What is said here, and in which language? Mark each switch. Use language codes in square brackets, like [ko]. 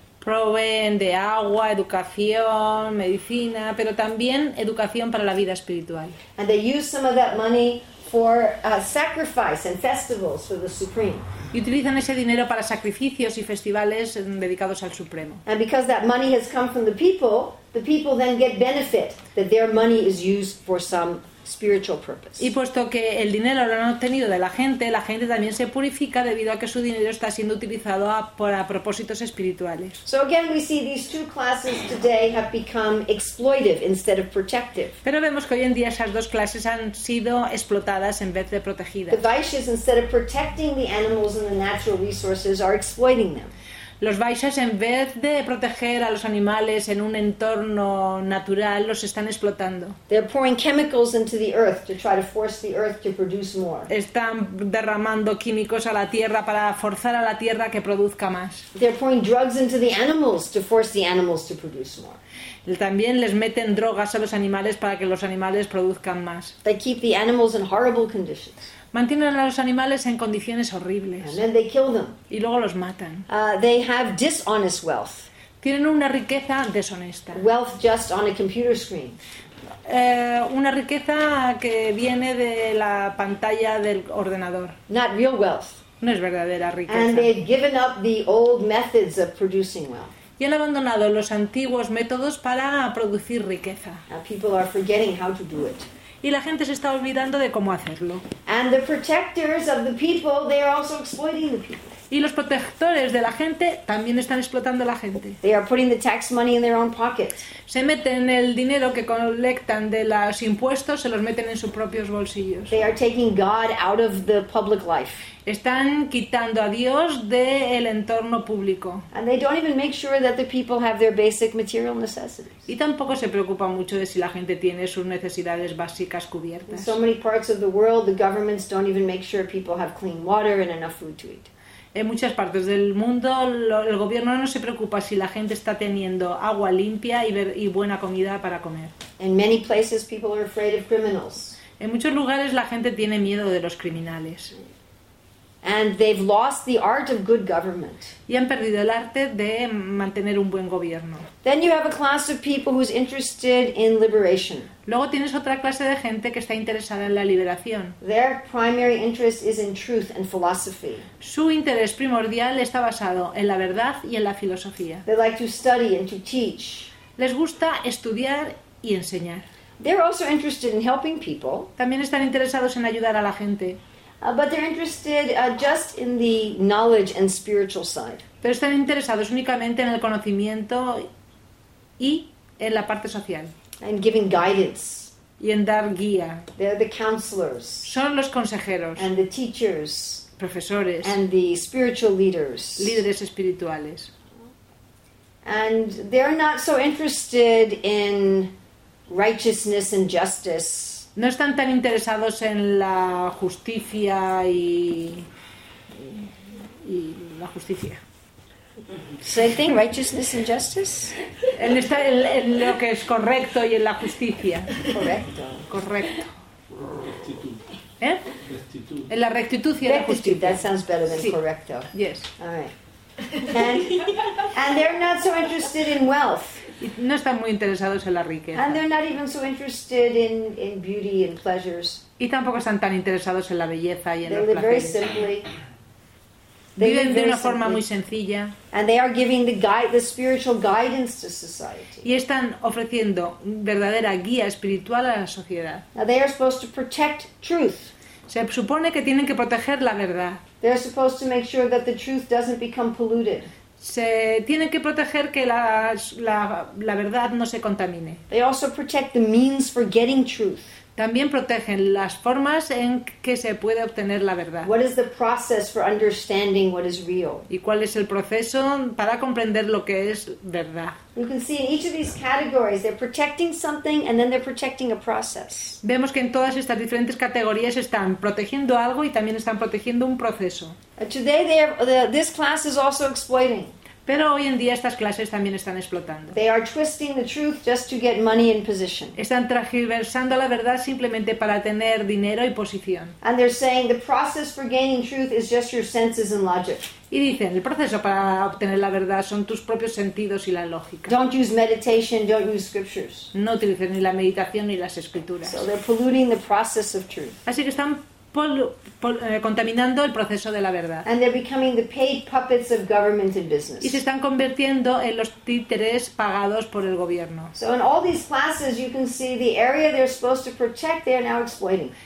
[es] Proveen de agua, educación, medicina, pero también educación para la vida espiritual. [en] And they use some of that money for sacrifice and festivals for the Supreme. [es] Y utilizan ese dinero para sacrificios y festivales dedicados al Supremo. [en] And because that money has come from the people then get benefit that their money is used for some spiritual purpose. [es] Y puesto que el dinero lo han obtenido de la gente también se purifica debido a que su dinero está siendo utilizado para propósitos espirituales. [en] So again, we see these two classes today have become exploitive instead of protective. [es] Pero vemos que hoy en día esas dos clases han sido explotadas en vez de protegidas. [en] The Vaishyas, instead of protecting the animals and the natural resources, are exploiting them. [es] Los Vaishyas, en vez de proteger a los animales en un entorno natural, los están explotando. [en] They're pouring chemicals into the earth to try to force the earth to produce more. [es] Están derramando químicos a la tierra para forzar a la tierra que produzca más. [en] They're pouring drugs into the animals to force the animals to produce more. [es] También les meten drogas a los animales para que los animales produzcan más. [en] They keep the animals in horrible conditions. [es] Mantienen a los animales en condiciones horribles. [en] And then they kill them. [es] Y luego los matan. [en] They have dishonest wealth. [es] Tienen una riqueza deshonesta. [en] Wealth just on a computer screen. [es] Una riqueza que viene de la pantalla del ordenador. [en] Not real wealth. [es] No es verdadera riqueza. [en] And they've given up the old methods of producing wealth. [es] Y han abandonado los antiguos métodos para producir riqueza. [en] Now people are forgetting how to do it. [es] Y la gente se está olvidando de cómo hacerlo. [en] And the protectors of the people, they are also exploiting the people. [es] Y los protectores de la gente también están explotando a la gente. [en] They are putting the tax money in their own pockets. [es] Se meten el dinero que colectan de los impuestos, se los meten en sus propios bolsillos. [en] They are taking God out of the public life. [es] Están quitando a Dios del entorno público. [en] And they don't even make sure that the people have their basic material necessities. [es] Y tampoco se preocupan mucho de si la gente tiene sus necesidades básicas cubiertas. [en] In so many parts of the world, the governments don't even make sure people have clean water and enough food to eat. [es] En muchas partes del mundo el gobierno no se preocupa si la gente está teniendo agua limpia y buena comida para comer. [en] In many places, people are afraid of criminals. [es] En muchos lugares la gente tiene miedo de los criminales. [en] And they've lost the art of good government. [es] Y han perdido el arte de mantener un buen gobierno. [en] Then you have a class of people who's interested in liberation. [es] Luego tienes otra clase de gente que está interesada en la liberación. [en] Their primary interest is in truth and philosophy. [es] Su interés primordial está basado en la verdad y en la filosofía. [en] They like to study and to teach. [es] Les gusta estudiar y enseñar. [en] They're also interested in helping people. [es] También están interesados en ayudar a la gente. [en] But they're interested just in the knowledge and spiritual side. [es] Pero están interesados únicamente en el conocimiento y en la parte social. [en] And giving guidance. [es] Y en dar guía. [en] They're the counselors. [es] Son los consejeros. [en] And the teachers. [es] Profesores. [en] And the spiritual leaders. [es] Líderes espirituales. [en] And they're not so interested in righteousness and justice. [es] No están tan interesados en la justicia y la justicia. [en] Same thing, righteousness and justice. [es] En lo que es correcto y en la justicia. Correcto. Correcto. Rectitud. ¿Eh? Rectitud. En la rectitud y en la justicia. [en] That sounds better than [es] sí. Correcto. [en] Yes. All right. And they're not so interested in wealth. [es] Y no están muy interesados en la riqueza. [en] And they're not even so interested in beauty and pleasures. [es] Y tampoco están tan interesados en la belleza y en [en] they [es] los [en] live [es] placeres. [en] Very simply. They [es] viven de una forma muy sencilla. [en] And they are giving the spiritual guidance to society. [es] Y están ofreciendo verdadera guía espiritual a la sociedad. [en] Now they are supposed to protect truth. [es] Se supone que tienen que proteger la verdad. [en] They are supposed to make sure that the truth doesn't become polluted. [es] Se tienen que proteger que la verdad no se contamine. [en] They also protect the means for getting truth. [es] También protegen las formas en que se puede obtener la verdad. [en] What is the process for understanding what is real? [es] ¿Y cuál es el proceso para comprender lo que es verdad? [en] You can see in each of these categories they're protecting something and then they're protecting a process. [es] Vemos que en todas estas diferentes categorías están protegiendo algo y también están protegiendo un proceso. [en] Today this class is also exploiting. [es] Pero hoy en día estas clases también están explotando. [en] They are twisting the truth just to get money and position. [es] Están tergiversando la verdad simplemente para tener dinero y posición. [en] And they're saying the process for gaining truth is just your senses and logic. [es] Y dicen, el proceso para obtener la verdad son tus propios sentidos y la lógica. [en] Don't use meditation, don't use scriptures. [es] No utilices ni la meditación ni las escrituras. [en] So they're polluting the process of truth. [es] Así que están contaminando el proceso de la verdad. [en] And they're becoming the paid puppets of government and business. [es] Y se están convirtiendo en los títeres pagados por el gobierno. [en] So in all these classes you can see the area they're supposed to protect they're now exploiting.